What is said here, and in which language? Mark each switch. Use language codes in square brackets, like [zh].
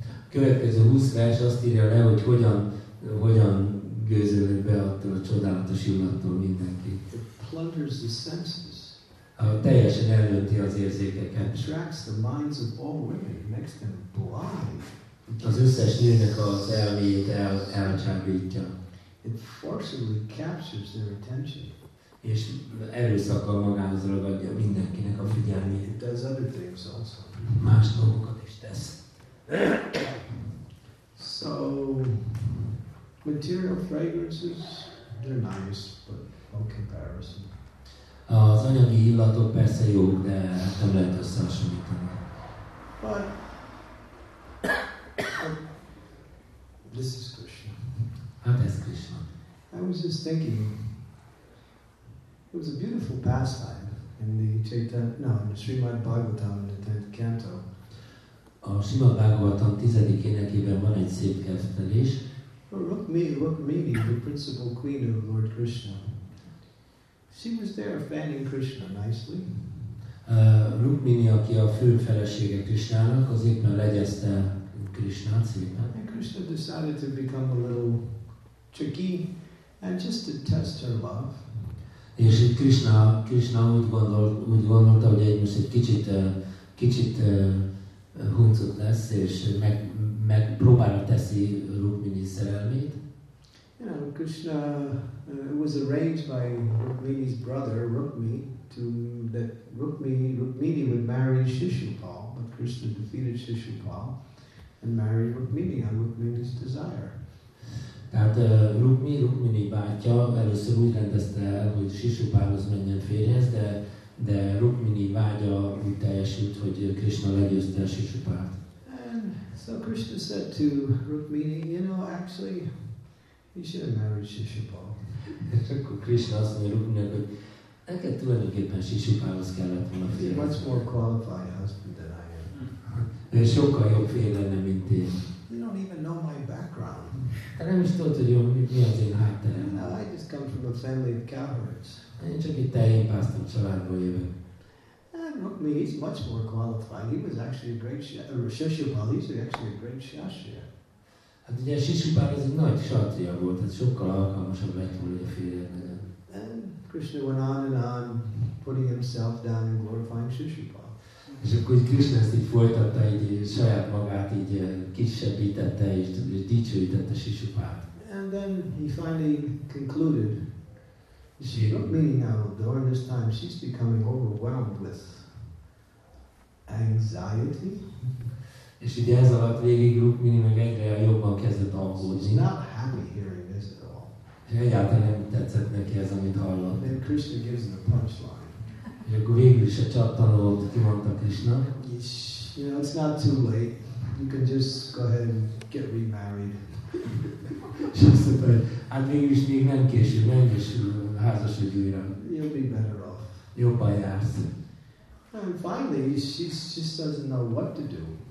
[hu] Következő 20 vers azt írja le, hogy hogyan gőzölnek be attól a csodálatos illattól mindenki. [en] It plunders the senses. [hu] Teljesen elönti az érzékeket. [en] Attracts the minds of all women, makes them blind. [hu] Az összes nőnek az elméjét elcsábítja. [en] It forcibly captures their attention. [hu] És erőszakkal magához ragadja mindenkinek a figyelmét. [en] It does other things also. [hu] Más dolgokat is tesz. [en] So, material fragrances, they're nice, but no comparison. [hu] Az anyagi illatok persze jók, de nem lehet összehasonlítani. [en] But this is Krishna. [hu] Hát ez Krishna. [en] I was just thinking, it was a beautiful pastime in the Srimad Bhagavatam in the 10th canto. [hu] A Srimad Bhagavatam 10. énekében van egy szép kertelés. [en] Rukmini, the principal queen of Lord Krishna, she was there fanning Krishna nicely. [hu] Rukmini, aki a fő felesége Krishnának, az éppen legyezte Krishnát szépen. [en] And Krishna decided to become a little tricky and just to test her love. [hu] És itt Krishna úgy gondolta, hogy egy most egy kicsit huncut lesz, és megpróbálja teszi Rukmini szerelmét. [en] You know, Krishna was arranged by Rukmini's brother Rukmi to that Rukmini would marry Shishupal, but Krishna defeated Shishupal and married Rukmini on Rukmini's desire. [hu] Tehát Rukmini bátyja először úgy rendezte el, hogy Shishupalhoz menjen férjhez, de Rukmini vágya úgy teljesült, hogy Krishna legyőzte a Shishupalt. [en] So Krishna said to Rukmini, you know, actually, you should have married Shishupal. [hu] És akkor Krishna azt mondja Rukminek, hogy neked tulajdonképpen Shishupalhoz kellett volna férjhez. [en] Much more qualified husband than I am. [hu] De sokkal jobb férj lenne, mint én. [en] You don't even know my background. [hu] Te nem is tudod, hogy mi az én hátterem. [en] Well, I just come from a family of cowherds. [hu] Én csak egy tehénpásztor családból jövök. [en] And Rukmini, he's much more qualified. He was actually a great Shishupal. He's actually a great kshatriya. [hu] Hát ugye Shishupal az egy nagy kshatriya volt, tehát sokkal alkalmasabb lett volna, hogy a férjem legyen. [en] And Krishna went on and on, putting himself down and glorifying Shishupal. [hu] És akkor hogy Krishna ezt így folytatta, így saját magát így kisebbítette, és dicsőítette Shishupalt. [en] And then he finally concluded. She Rukmini now, during this time, she's becoming overwhelmed with anxiety. [hu] És ugye ez alatt végig Rukmini meg egyre jobban kezdett aggódni. [en] She's not happy hearing this at all. [hu] És egyáltalán nem tetszett neki ez, amit hallott. [en] Then Krishna gives her a punchline. [hu] És akkor végül is a csattanót kimondta Krishna. [en] You know, it's not too late. You can just go ahead and get remarried. [hu] És azt mondta, hogy hát végül is még nem késő, menj és házasodj újra. [en] You'll be better off. [hu] Jobban jársz. [en] And finally, she just doesn't know what to do.